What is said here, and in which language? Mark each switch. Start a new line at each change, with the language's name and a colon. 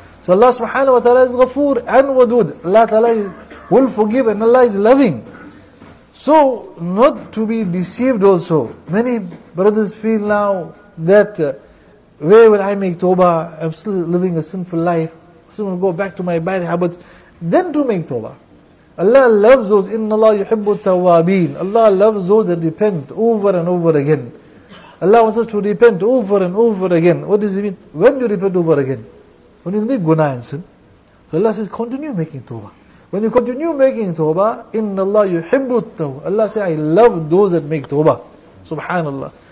English: So Allah Subhanahu wa Ta'ala is ghafoor and wadood. Allah Ta'ala will forgive and Allah is loving. So not to be deceived also. Many brothers feel now that where will I make tawbah? I'm still living a sinful life. So I'm going to go back to my bad habits. Then to make tawbah. Allah loves those,
Arabic: إِنَّ اللَّهُ يُحِبُّ التَّوَّابِينَ.
English: Allah loves those that repent over and over again. Allah wants us to repent over and over again. What does it mean? When you repent over again? When you make guna and sin. So Allah says, continue making tawbah. When you continue making tawbah,
Arabic: إِنَّ اللَّهُ يُحِبُّ التَّوَّابِينَ.
English: Allah says, I love those that make tawbah. Subhanallah.